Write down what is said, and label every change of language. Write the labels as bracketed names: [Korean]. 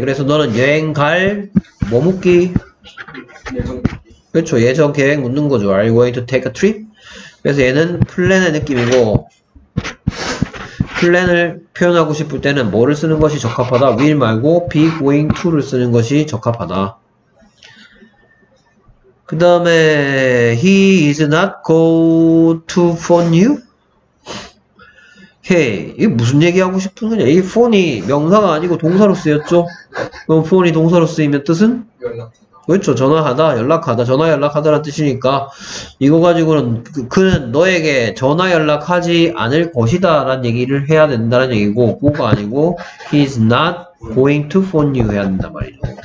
[Korean] 그래서 너는 여행 갈 머뭇기? 그렇죠. 예정 계획 묻는 거죠. [English] Are you going to take a trip? [Korean] 그래서 얘는 플랜의 느낌이고 플랜을 표현하고 싶을 때는 뭐를 쓰는 것이 적합하다? will 말고 be going to를 쓰는 것이 적합하다. 그 다음에 [English] he is not go to phone you. [Korean] 헤이, 이게 무슨 얘기하고 싶은 거냐? 이 phone이 명사가 아니고 동사로 쓰였죠. 그럼 phone이 동사로 쓰이면 뜻은? 그렇죠. 전화하다, 연락하다, 전화 연락하다라는 뜻이니까 이거 가지고는 그는 너에게 전화 연락하지 않을 것이다라는 얘기를 해야 된다는 얘기고, 뭐가 아니고 [English] he's not going to phone you [Korean] 해야 된단 말이죠.